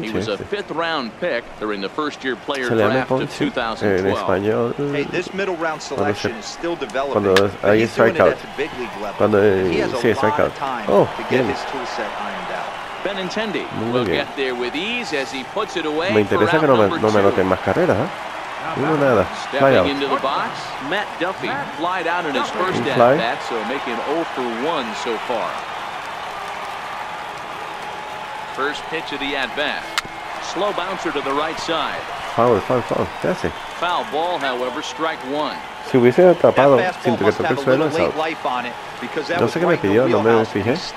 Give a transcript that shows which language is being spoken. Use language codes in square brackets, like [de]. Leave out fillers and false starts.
[en] He was a fifth round pick during the first year player draft of 2012. [es] En español. [en] Hey, this middle round selection is still developing. [es] Cuando hay strikeout. Cuando [en] he has a strike out. [es] Oh, bien. [en] His tool set ironed out. Benintendi will get there with ease as he puts it away. [es] Me interesa que no me anoten más carreras, ¿eh? No, nada. Fly out. [en] Into the box, Matt Duffy flied out in his first at bat, so making 0-1 so far. First pitch of the at bat. Slow bouncer to the right side. Foul. That's it. Foul ball, however, strike one. [es] Si hubiese atrapado sin que toque el suelo, eso. No sé qué me pidió, no me lo fijé.